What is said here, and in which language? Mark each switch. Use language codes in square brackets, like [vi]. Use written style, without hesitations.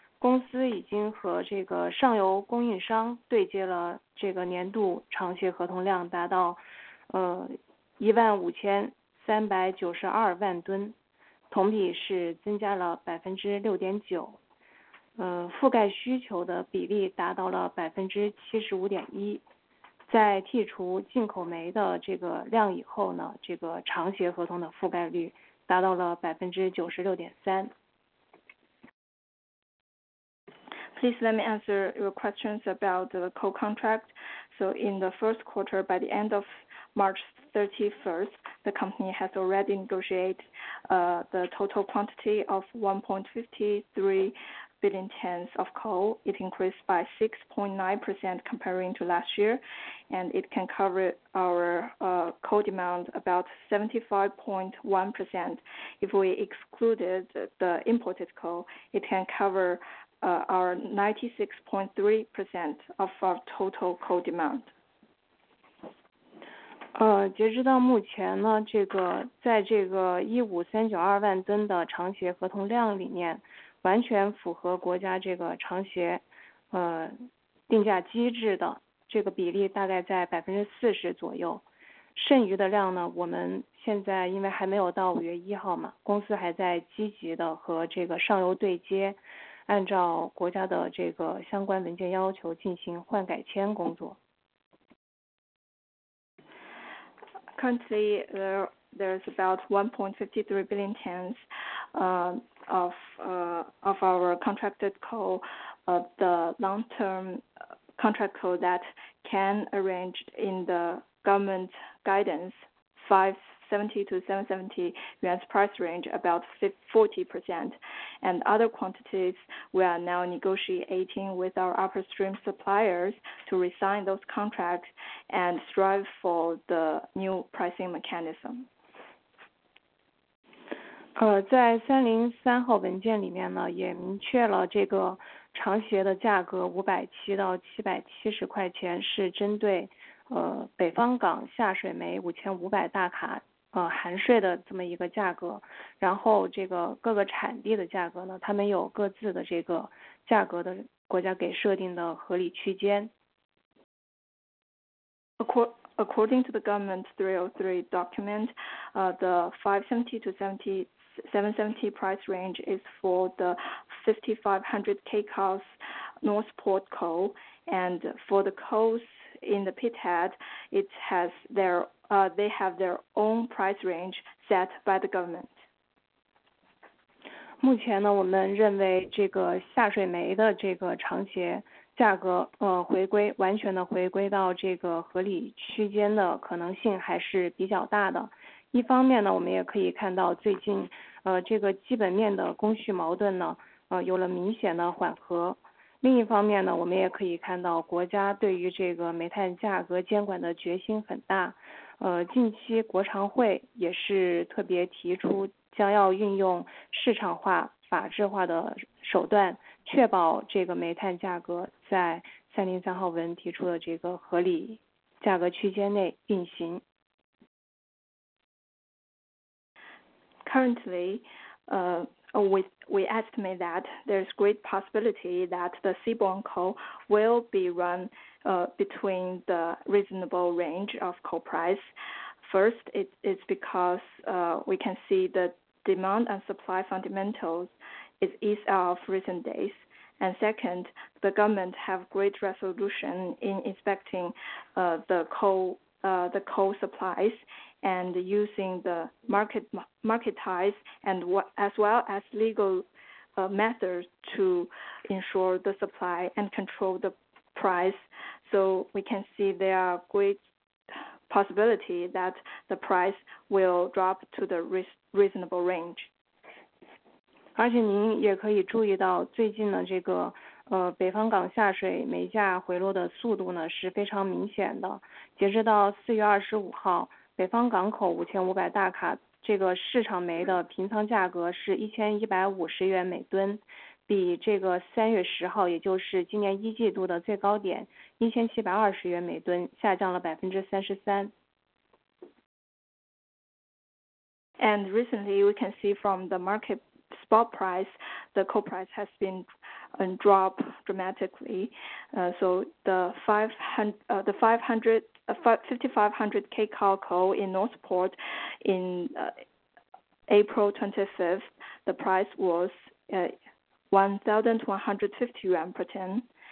[zh] 公司已经和这个上游供应商对接了这个年度长协合同量达到15392万吨，同比是增加了6.9%，覆盖需求的比例达到了75.1%。在剔除进口煤的这个量以后呢，这个长协合同的覆盖率达到了96.3%。 [en] Please let me answer your questions about the coal contract. So in the first quarter, by the end of March 31st, the company has already negotiated the total quantity of 1.53 billion tons of coal. It increased by 6.9% comparing to last year, and it can cover our coal demand about 75.1%. If we excluded the imported coal, it can cover our 96.3% of our total coal demand. [zh] 截止到目前呢，这个在这个15392万吨的长协合同量里面，完全符合国家这个长协定价机制的这个比例大概在40%左右。剩余的量呢，我们现在因为还没有到5月1号嘛，公司还在积极的和这个上游对接，按照国家的这个相关文件要求进行换改签工作。 [en] Currently, there's about 1.53 billion tons of our contracted coal, the long-term contract coal that can arrange in the government guidance, 570 to 770 yuan price range, about 40%. And other quantities, we are now negotiating with our upstream suppliers to resign those contracts and strive for the new pricing mechanism. [zh] 在303号文件里面呢，也明确了这个长协的价格570到770块钱是针对北方港下水煤5500大卡含税的这么一个价格，然后这个各个产地的价格呢，他们有各自的这个价格的国家给设定的合理区间。 [en] According to the government 303 document, the 570 to 770 price range is for the 5500 kcal Northport coal, and for the coals in the pit head, it has their they have their own price range set by the government. [zh] 目前呢，我们认为这个下水煤的这个长协价格回归完全的回归到这个合理区间的可能性还是比较大的。一方面呢，我们也可以看到最近这个基本面的供需矛盾呢有了明显的缓和。另一方面呢，我们也可以看到国家对于这个煤炭价格监管的决心很大。近期国常会也是特别提出将要运用市场化、法治化的手段，确保这个煤炭价格在303号文提出的这个合理价格区间内运行。 [en] Currently, we estimate that there's great possibility that the seaborne coal will be run between the reasonable range of coal price. First, it is because we can see the demand and supply fundamentals is eased of recent days. And second, the government have great resolution in inspecting the coal supplies and using the market ties and as well as legal methods to ensure the supply and control the price. So we can see there are great possibility that the price will drop to the reasonable range. [zh] 而且您也可以注意到最近的这个北方港下水煤价回落的速度呢是非常明显的。截至到4月25号，北方港口5500大卡这个市场煤的平仓价格是1150元每吨，比这个3月10号，也就是今年一季度的最高点1720元每吨下降了33%。 [en] And recently we can see from the market spot price, the coal price has been drop dramatically. So the 5500 kcal coal in Northport in April 25th, the price was 1,150 yuan per ton.